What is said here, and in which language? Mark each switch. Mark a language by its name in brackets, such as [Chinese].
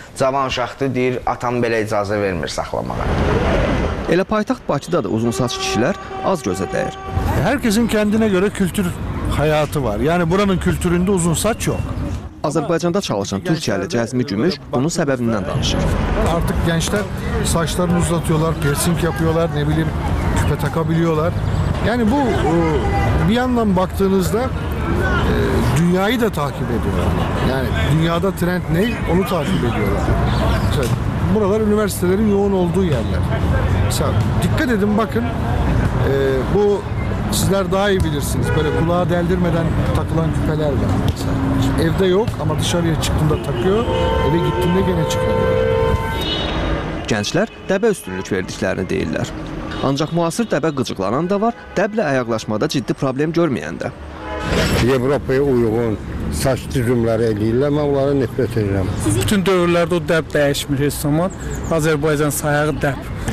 [Azerbaijani] Cavan uşaqdır, deyir, atam belə icazə vermir saxlamağa. Elə paytaxt Bakıda da uzun saç kişilər az gözə dəyir. Hər kəsin kəndinə görə kültür həyatı var. Yəni, buranın kültüründə uzun saç yox. Azərbaycanda çalışan Türkiyəli Cəzmi Gümüş bunun səbəbindən danışır. [Turkish] Artıq gənclər saçlarını uzatıyorlar, piercing yapıyorlar, nə bilim, küpə taka biliyorlar. Yəni bu, bir yandan baktığınızda dünyayı da takip ediyorlar. Yəni dünyada trend ne, onu takip ediyorlar. Mesela, buralar üniversitelerin yoğun olduğu yerler. Mesela dikkat edin bakın, bu sizler daha iyi bilirsiniz. Böyle kulağa deldirmeden takılan küpeler var mesela. Evde yok ama dışarıya çıktığında takıyor, eve gittiğinde gene çıkıyor. [Azerbaijani] Gençler dəbə üstünlük verdiklerini deyirlər. Ancaq müasir dəbə qıcıqlanan da var, dəblə ayaqlaşmada ciddi problem görməyən də. Avropaya uyğun saç düzümləri eləyirlər, mən onları nifrət edirəm. Bütün dövrlərdə o dəb dəyişmir heç zaman, Azərbaycan sayağı dəb.